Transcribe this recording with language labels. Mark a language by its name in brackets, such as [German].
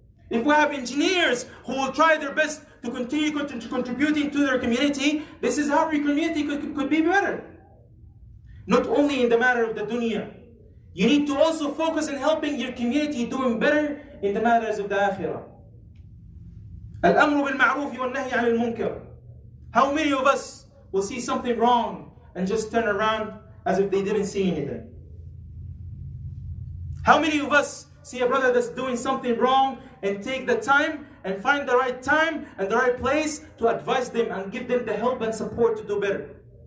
[English] If we have engineers who will try their best to continue contributing to their community, this is how our community could be better. Not only in the matter of the dunya. You need to also focus on helping your community doing better in the matters of the akhirah. [Arabic] الأمر بالمعروف والنهي عن المنكر. [English] How many of us will see something wrong and just turn around as if they didn't see anything? How many of us see a brother that's doing something wrong and take the time and find the right time and the right place to advise them and give them the help and support to do better?